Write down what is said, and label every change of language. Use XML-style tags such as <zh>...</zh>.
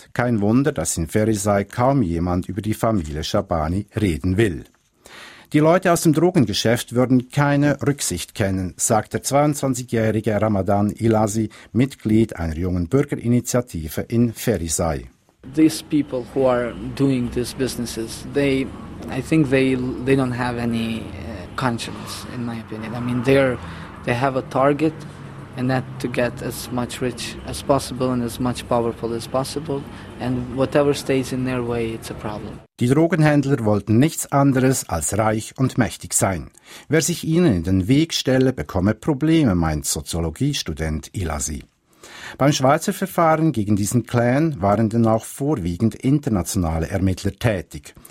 <de>Kein Wunder, dass in Ferizaj kaum jemand über die Familie Shabani reden will. Die Leute aus dem Drogengeschäft würden keine Rücksicht kennen, sagt der 22-jährige Ramadan Ilazi, Mitglied einer jungen Bürgerinitiative in Ferizaj.</de> <en>These people who are doing these businesses, they don't have any conscience, in my opinion. I mean, they have a target. And that to get as much rich as possible and as much powerful as possible. And whatever stays in their way, it's a problem.</en> <de>Die Drogenhändler wollten nichts anderes als reich und mächtig sein. Wer sich ihnen in den Weg stelle, bekomme Probleme, meint Soziologiestudent Ilazi. Beim Schweizer Verfahren gegen diesen Clan waren denn auch vorwiegend internationale Ermittler tätig.</de>